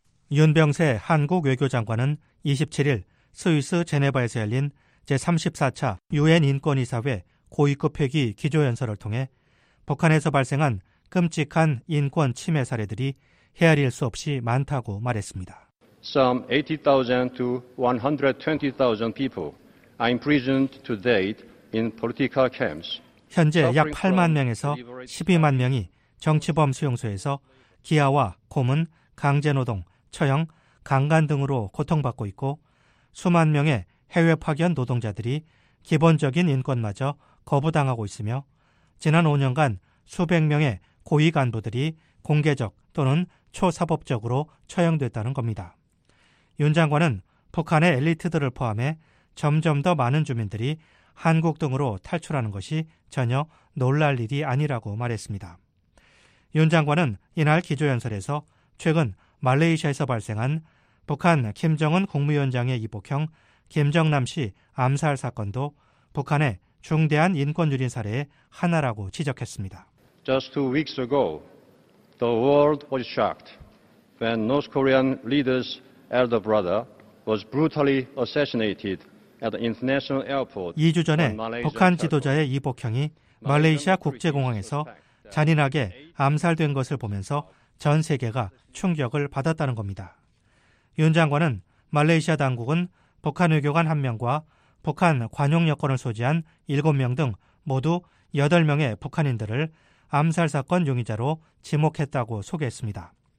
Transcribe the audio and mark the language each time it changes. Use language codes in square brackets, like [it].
[ko] 윤병세 한국 외교장관은 27일 스위스 제네바에서 열린 제34차 유엔인권이사회 고위급 회기 기조연설을 통해 북한에서 발생한 끔찍한 인권 침해 사례들이 헤아릴 수 없이 많다고 말했습니다. [en] Some 80,000 to 120,000 people are imprisoned to date in political camps. [ko] 현재 약 8만 명에서 12만 명이 정치범 수용소에서 기아와 고문, 강제노동, 처형, 강간 등으로 고통받고 있고 수만 명의 해외 파견 노동자들이 기본적인 인권마저 거부당하고 있으며 지난 5년간 수백 명의 고위 간부들이 공개적 또는 초사법적으로 처형됐다는 겁니다. 윤 장관은 북한의 엘리트들을 포함해 점점 더 많은 주민들이 한국 등으로 탈출하는 것이 전혀 놀랄 일이 아니라고 말했습니다. 윤 장관은 이날 기조연설에서 최근 말레이시아에서 발생한 북한 김정은 국무위원장의 이복형 김정남 씨 암살 사건도 북한의 중대한 인권 유린 사례의 하나라고 지적했습니다. [en] Just 2 weeks ago, the world was shocked when North Korean leader's elder brother was brutally assassinated at the international airport. [ko] 2주 전에 북한 지도자의 이복형이 말레이시아 국제공항에서 잔인하게 암살된 것을 보면서 전 세계가 충격을 받았다는 겁니다. 윤 장관은 말레이시아 당국은 북한 외교관 1명과 북한 관용 여권을 소지한 7명 등 모두 8명의 북한인들을 암살 사건 용의자로 지목했다고 소개했습니다.